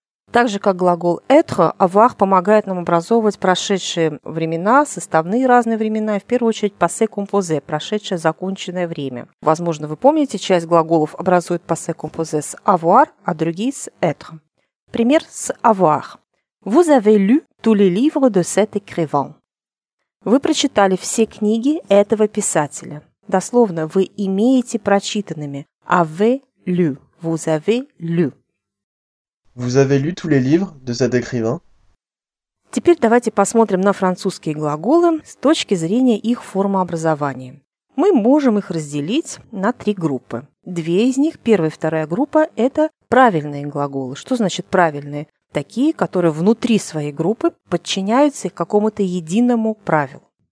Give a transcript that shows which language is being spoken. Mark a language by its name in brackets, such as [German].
[Russian] Так же, как глагол être, avoir помогает нам образовывать прошедшие времена, составные разные времена, и в первую очередь passé composé, прошедшее законченное время. Возможно, вы помните, часть глаголов образует passé composé с avoir, а другие с être. Пример с avoir. [French] Vous avez lu tous les livres de cet écrivain. [Russian] Вы прочитали все книги этого писателя. Дословно, вы имеете прочитанными. [French] Avez lu. Vous avez lu. Vous avez lu tous les livres de cet écrivain? [Russian] Теперь давайте посмотрим на французские глаголы с точки зрения их формообразования. Мы можем их разделить на три группы. Две из них, первая и вторая группа, это правильные глаголы. Что значит правильные? Такие, которые внутри своей группы подчиняются какому-то единому правилу.